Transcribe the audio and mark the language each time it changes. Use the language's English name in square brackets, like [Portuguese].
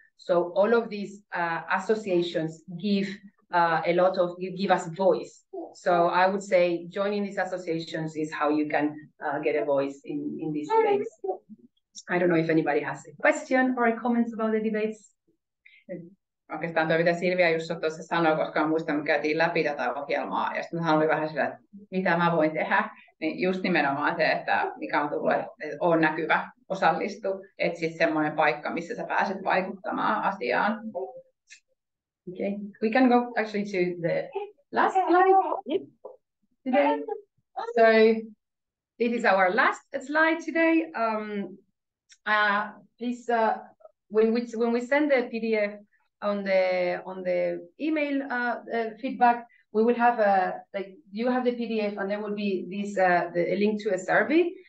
[English] So all of these associations give us voice. So I would say joining these associations is how you can get a voice in these debates. I don't know if anybody has a question or a comment about the debates. [Finnish] Oikeastaan tuo, mitä Silvia just tuossa sanoi, koska muistan, me käytiin läpi tätä ohjelmaa, ja sitten hän oli vähän sillä, että mitä mä voin tehdä, niin just nimenomaan se, että mikä on tullut, että on näkyvä, osallistu, etsi semmoinen paikka, missä sä pääset vaikuttamaan asiaan. [English] Okay, we can go actually to the last slide today. So this is our last slide today. When we send the PDF on the email feedback, we will have you have the PDF, and there will be a link to a survey.